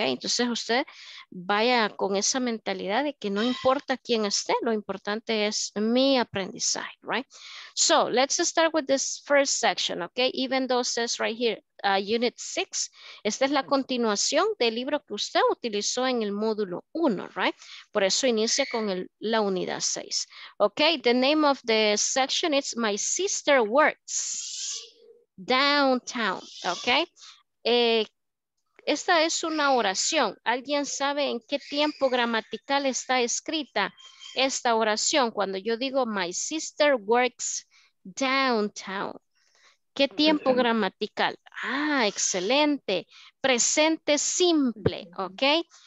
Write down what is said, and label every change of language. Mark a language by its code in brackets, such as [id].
[es] Entonces usted vaya con esa mentalidad de que no importa quién esté, lo importante es mi aprendizaje, right? [en] So let's start with this first section, ¿ok? Even though it says right here, Unit 6, [es] esta es la continuación del libro que usted utilizó en el módulo 1, [en] right? [es] Por eso inicia con la unidad 6. [en] Okay, the name of the section is My Sister Works Downtown, okay? [es] Esta es una oración. ¿Alguien sabe en qué tiempo gramatical está escrita esta oración? Cuando yo digo My Sister Works Downtown, ¿qué tiempo gramatical? Ah, excelente. Presente simple, ¿ok?